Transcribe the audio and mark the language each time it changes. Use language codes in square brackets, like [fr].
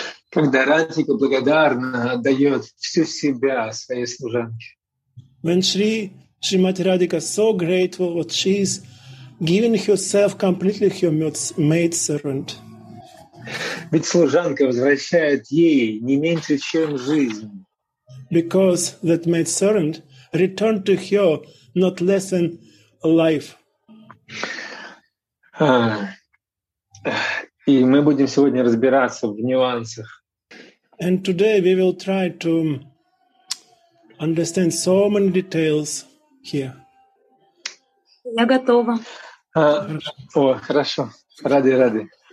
[ru] Когда Радика благодарна дает всю себя своей служанке. [en] When Shrimati Radhika so grateful, what she is giving herself completely, her maid servant. [ru] Ведь служанка возвращает ей не меньше, чем жизнь. [en] Because that maid servant returned to her not less than life. [ru] И мы будем сегодня разбираться в нюансах. [en] And today we will try to understand so many details here. [ru] Я готова. О, хорошо. Ради.